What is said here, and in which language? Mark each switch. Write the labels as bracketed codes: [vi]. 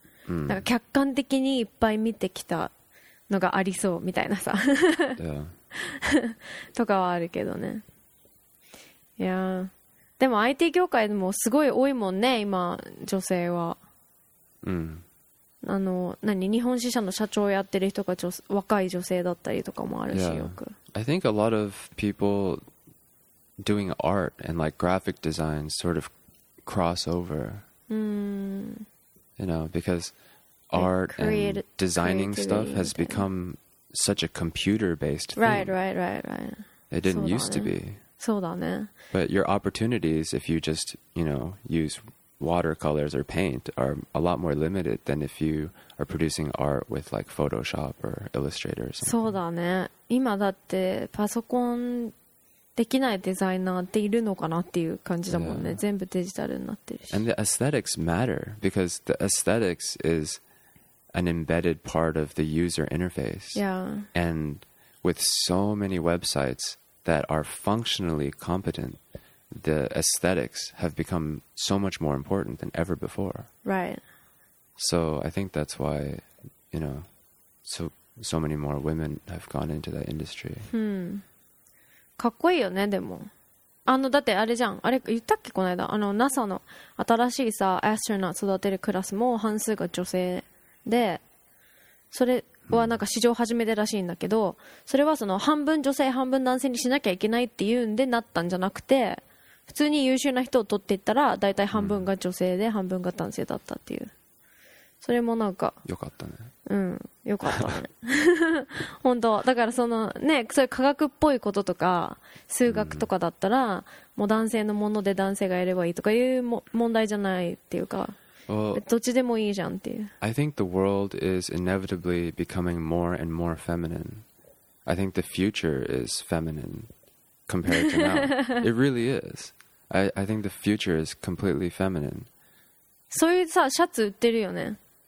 [ja] なんか客観的にいっぱい見てきた。のがありそうみたいなさとかはあるけどね。いやでも IT 業界でもすごい多いもんね今女性は。あの何日本支社の社長をやってる人が若い女性だったりとかもあるし、よく [en] I think a lot of people doing art and like graphic design sort of cross over、you know becauseArt and designing stuff has become such a computer-based thing. Right. It didn't used to be. [ja] そうだね。 [en] But your opportunities, if you just, you know, use watercolors or paint, are a lot more limited than if you are producing art with like Photoshop or Illustrator or something. [ja] そうだね。今だってパソコンできないデザイナーっているのかなっていう感じだもんね。全部デジタルになってるし。 [en] And the aesthetics matter because the aesthetics is... an embedded part of the user interface. Yeah. And with so many websites that are functionally competent, the aesthetics have become so much more important than ever before. Right. So I think that's why, you know, so many more women have gone into that industry. [ja] かっこいいよね、でも。あの、だってあれじゃん。あれ、言ったっけ、この間。あの、NASA の新しいさ、アストロナウト育てるクラスも半数が女性。でそれはなんか史上初めてらしいんだけど、それはその半分女性半分男性にしなきゃいけないっていうんでなったんじゃなくて、普通に優秀な人を取っていったら大体半分が女性で半分が男性だったっていう、それもなんかよかったね。うん、よかったね。本当だからそのね、そういう科学っぽいこととか数学とかだったら、うん、もう男性のもので男性がやればいいとかいうも問題じゃないっていうか、 [en] well, [ja] どっちでもいいじゃんっていう。 [en] I think the world is inevitably becoming more and more feminine. I think the future is feminine compared to now. It really is. I think the future is completely feminine. [ja] そういうさ、シャツ売ってるよね。